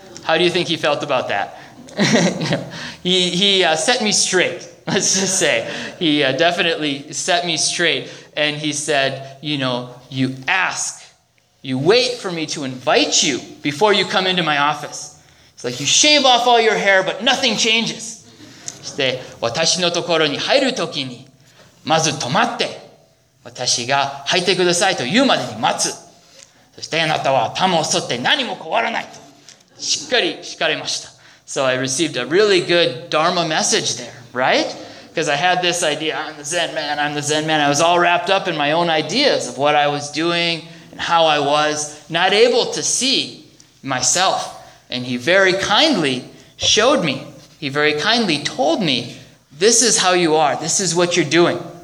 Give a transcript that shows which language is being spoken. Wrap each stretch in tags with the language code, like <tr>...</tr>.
<en>How do you think he felt about that? he set me straight, let's just say. He definitely set me straight. And he said, you know, you ask, you wait for me to invite you before you come into my office. It's like, you shave off all your hair, but nothing changes.</en> <ja>そして、私のところに入るときに、まず止まって、私が入ってくださいと言うまでに待つ。そして、あなたは玉を剃って何も変わらないと、しっかり叱れました。</ja> <en>So I received a really good Dharma message there, right? Because I had this idea, I'm the Zen man. I was all wrapped up in my own ideas of what I was doing and how I was, not able to see myself. And he very kindly showed me, he very kindly told me, this is how you are, this is what you're doing.</en>